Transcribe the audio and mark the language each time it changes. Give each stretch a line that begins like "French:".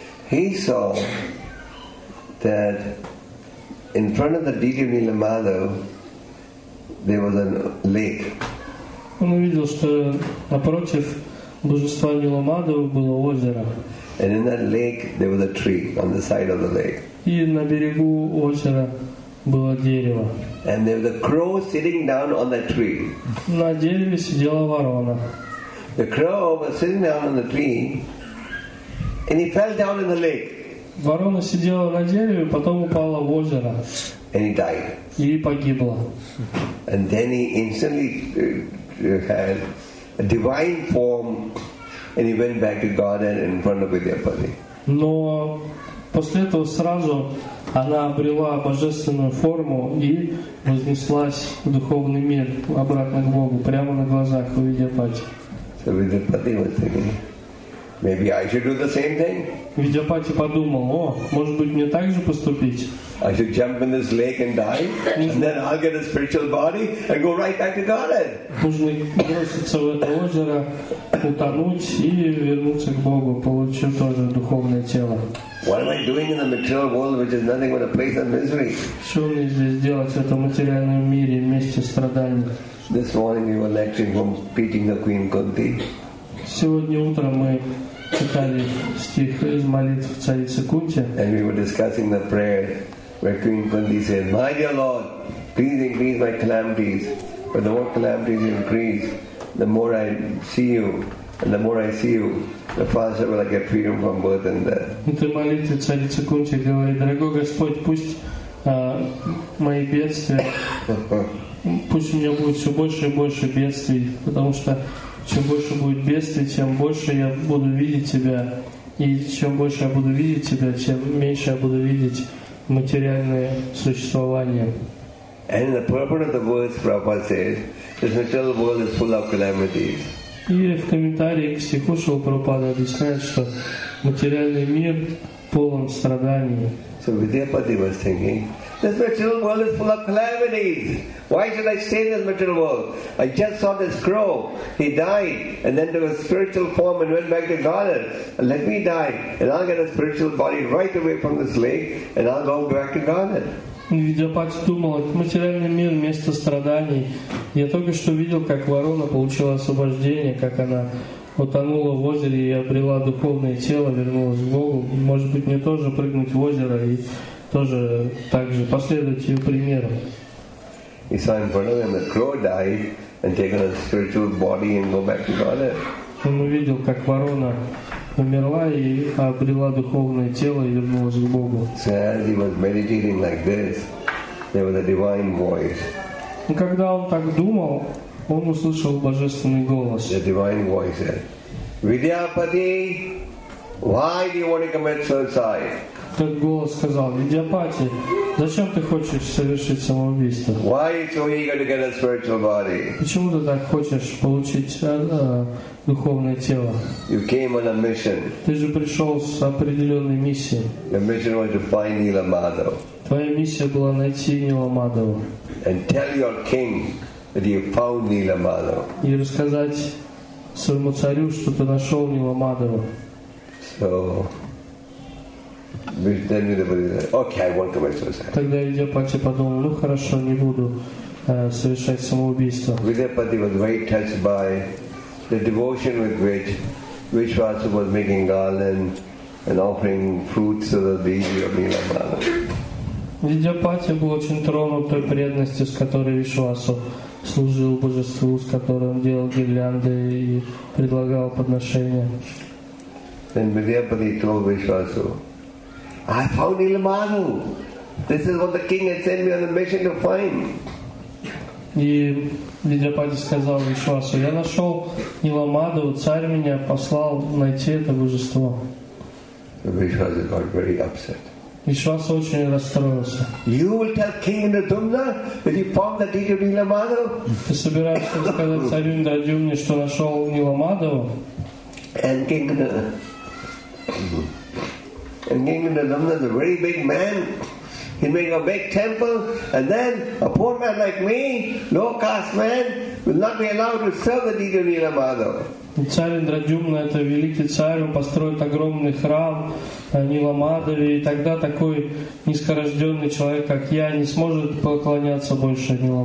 English: He saw that in front of the deity Nilamadhava there was a lake.
Russian: Он увидел, что напротив божества Ниламадхавы было озеро.
English: And in that lake there was a tree on the side of the lake.
Russian: И на берегу озера было дерево.
English: And there was a crow sitting down on that tree.
Russian: На дереве сидела ворона.
English: The crow was sitting down on the tree, and he fell down in the lake.
Russian: Ворона сидела на дереве, потом упала в озеро.
English: And he died.
Russian: И погибла.
English: And then he instantly had a divine form, and he went back to garden in front of Vidyapati.
Russian: Но после этого сразу она обрела божественную форму и вознеслась в духовный мир обратно к Богу, прямо на глазах у Видяпати.
English: So Vidyapati was thinking, maybe I should do the same thing.
Russian: Видяпати подумал, о, может быть, мне так же поступить?
English: I should jump in this lake and die, and then I'll get a spiritual body and go right back to Godhead.
Russian: Нужно броситься в это озеро, утонуть и вернуться к Богу, получив тоже духовное тело.
English: What am I doing in the material world, which is nothing but a place of misery?
Russian: Что мне здесь делать в этом материальном мире, месте страданий?
English: This morning we were lecturing from beating the Queen Kunti.
Russian: Сегодня утром мы читали стих из молитв царицы Кунти.
English: And we were discussing the prayer where Queen Kunti said, "My dear Lord, please increase my calamities. But the more calamities you increase, the more I see you, and the more I see you, the faster will I get freedom from birth and death."
Russian: Это молитва царицы Кунти говорит: "Дорогой Господь, пусть мои бедствия, пусть у меня будет все больше и больше бедствий, потому что чем больше будет бедствий, тем больше я буду видеть тебя. И чем больше я буду видеть тебя, тем меньше я буду видеть материальное существование."
English: And the purport of the words Prabhupada says, this material world is full of calamities.
Russian: И в комментарии к стиху Шрилы Прабхупады объясняет, что материальный мир полон страданий.
English: So Vidyapati was thinking, this material world is full of calamities. Why should I stay in this material world? I just saw this crow. He died and then took a spiritual form and went back to Godhead. Let me die and I'll get a spiritual body right away from this lake and I'll go back to Godhead.
Russian: Видяпати думал, это материальный мир, место страданий. Я только что видел, как ворона получила освобождение, как она утонула в озере и обрела духовное тело, вернулась к Богу. Может быть, мне тоже прыгнуть в озеро и тоже так же последовать ее примеру.
English: He saw in front of him the crow died and taken a spiritual body and go back to Godhead.
Russian: Он увидел, как ворона умерла и обрела духовное тело и вернулась к Богу.
English: So as he was meditating like this, there was a divine voice.
Russian: И когда он так думал, он услышал божественный голос.
English: The divine voice said, "Vidyapati, why do you want to commit suicide?"
Russian: Этот голос сказал: "Видяпати, зачем ты хочешь совершить самоубийство?
English: Why are you so eager to get a spiritual body?
Russian: Почему ты так хочешь получить духовное тело?
English: You came on a mission.
Russian: Ты же пришел с определенной миссией.
English: Your mission was to find Nilamadhava.
Russian: Твоя миссия была найти Ниламадхаву.
English: And tell your king that you found Nilamadhava.
Russian: И рассказать своему царю, что ты нашел Ниламадхаву.
English: So then Vidyapati said, okay, I won't commit suicide.
Russian: Тогда Видяпати подумал, ну хорошо, не буду совершать самоубийство.
English: Vidyapati was very touched by the devotion with which Vishwasu was making garland and offering fruits to the deity of Nilamadhava.
Russian: Видяпати был очень тронут той преданностью, с которой Вишвасу служил божеству, с которым он делал гирлянды и предлагал подношения.
English: Then Vidyapati told Vishwasu, I found Nilamadhava. This is what the king had sent me on a mission to find.
Russian: И Видяпати сказал Вишвасу, я нашел Ниламадху, царь меня послал найти это божество.
English: Вишвасу got very upset.
Russian: Вишваса очень расстроился.
English: You will tell King Indradyumna that you found the deity of Nilamadava?
Russian: Ты собираешься сказать царю Индрадюмне, что нашел Ниламадаву?
English: And King Indradyumna is a very big man. He made a big temple, and then a poor man like me, low caste man, will not be allowed to serve the deity of Nilamadava.
Russian: И царь Индрадюмна, это великий царь, он построит огромный храм Ниламадаве, и тогда такой низкорожденный человек, как я, не сможет поклоняться больше